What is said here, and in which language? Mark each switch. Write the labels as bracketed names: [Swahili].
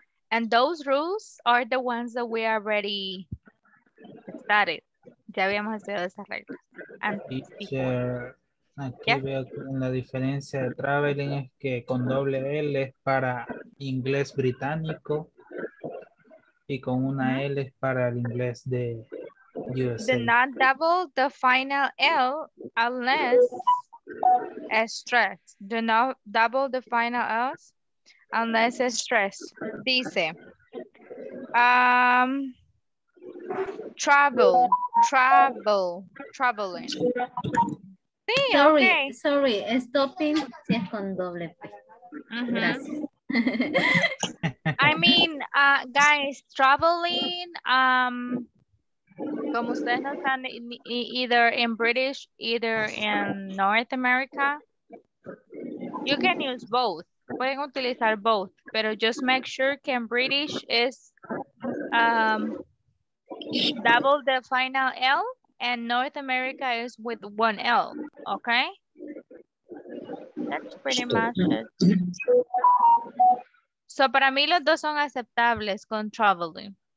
[English] And those rules are the ones that we already started. [Spanish] Ya habíamos estudiado esas reglas. Teacher, aquí yeah. Veo que la diferencia de traveling es que con doble L es para inglés británico. Y con una L es para el inglés de USA. [English] Do not double the final L unless stressed. Do not double the final L unless stressed. [Spanish] Dice, traveling. Sí, [English] sorry, okay. [Spanish] Sorry, stopping si es con doble P. [English] Mm-hmm. I mean, guys, traveling, [Spanish] como ustedes no están [English] either in British, either in North America, you can use both. [Spanish] Pueden utilizar [English] both, pero just make sure que in British is double the final L and North America is with one L, okay? That's pretty much it. [Spanish] So para mí los dos son aceptables con traveling.